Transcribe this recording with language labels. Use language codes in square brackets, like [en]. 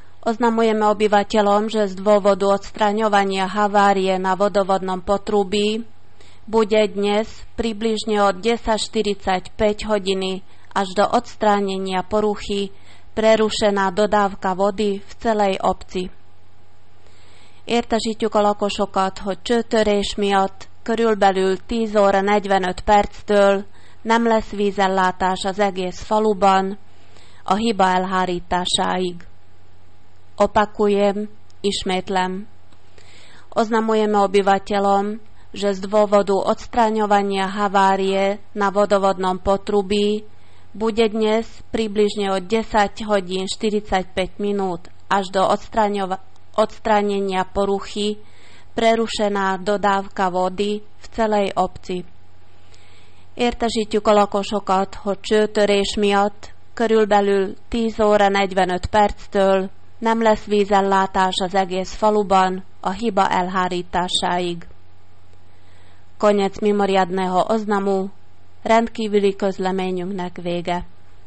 [sk] Oznamujeme obyvateľom, že z dôvodu odstraňovania havárie na vodovodnom potrubí bude dnes približne od 10.45 hodiny až do odstránenia poruchy prerušená dodávka vody v celej obci. [hu] Értesítjük a lakosokat, hogy csőtörés miatt körülbelül 10 óra 45 perctől nem lesz vízellátás az egész faluban a hiba elhárításáig. [sk] Opakujem, [hu] ismétlem. [sk] Oznamujeme obyvateľom, že z dôvodu odstraňovania havárie na vodovodnom potrubí bude dnes približne od 10 hodín 45 minút až do odstránenia poruchy prerušená dodávka vody v celej obci. [hu] Értesítjük a lakosokat, hogy csőtörés miatt körülbelül 10 óra 45 perctől nem lesz vízellátás az egész faluban a hiba elhárításáig. [sk] Konec mimoriadného oznamu, [hu] rendkívüli közleményünknek vége.